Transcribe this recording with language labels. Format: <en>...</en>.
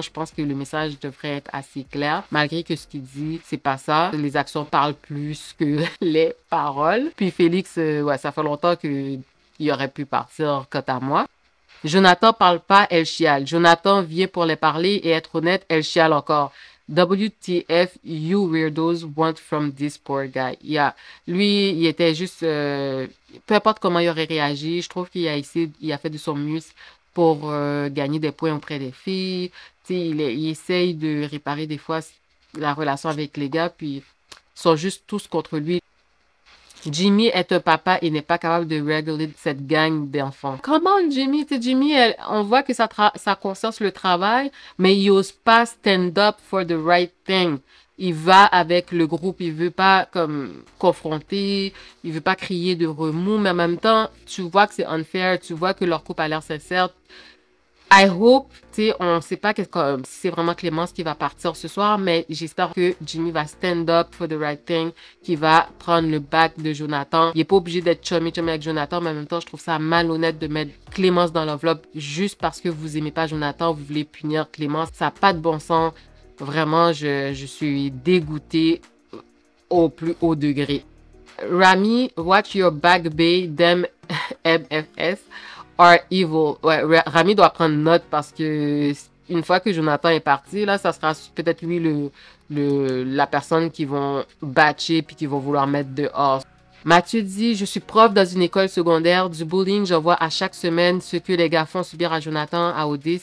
<fr>Je pense que le message devrait être assez clair. Malgré que ce qu'il dit, c'est pas ça. Les actions parlent plus que les paroles. Puis Félix, ouais, ça fait longtemps qu'il aurait pu partir, quant à moi. Jonathan parle pas, elle chiale. Jonathan vient pour les parler et être honnête, elle chiale encore.</fr> <en>WTF, you weirdos want from this poor guy. Yeah.</en> <fr>Lui, il était juste... peu importe comment il aurait réagi, je trouve qu'il a essayé, il a fait de son mieux pour gagner des points auprès des filles. T'sais, il essaye de réparer des fois la relation avec les gars, puis ils sont juste tous contre lui. Jimmy est un papa et n'est pas capable de réguler cette gang d'enfants.</fr> <en>Come on, Jimmy.</en> <fr>T'sais, Jimmy, elle, on voit que sa conscience le travaille, mais il n'ose pas</fr> <en>stand up for the right thing.</en> <fr>Il va avec le groupe, il ne veut pas comme confronter, il ne veut pas crier de remous, mais en même temps, tu vois que c'est unfair, tu vois que leur couple a l'air sincère.</fr> <en>I hope,</en> <fr>tu sais, on ne sait pas si c'est vraiment Clémence qui va partir ce soir, mais j'espère que Jimmy va</fr> <en>stand up for the right thing,</en> <fr>qu'il va prendre le bac de Jonathan. Il n'est pas obligé d'être chummy-chummy avec Jonathan, mais en même temps, je trouve ça malhonnête de mettre Clémence dans l'enveloppe juste parce que vous n'aimez pas Jonathan, vous voulez punir Clémence. Ça n'a pas de bon sens. Vraiment, je suis dégoûtée au plus haut degré.</fr> <en>Rami, watch your back, babe, them MFS. Are evil.</en> <fr>Ouais, Rami doit prendre note parce que une fois que Jonathan est parti, là, ça sera peut-être lui la personne qu'ils vont batcher puis qu'ils vont vouloir mettre dehors. Mathieu dit, je suis prof dans une école secondaire. Du bullying, je vois à chaque semaine ce que les gars font subir à Jonathan, à OD.</fr>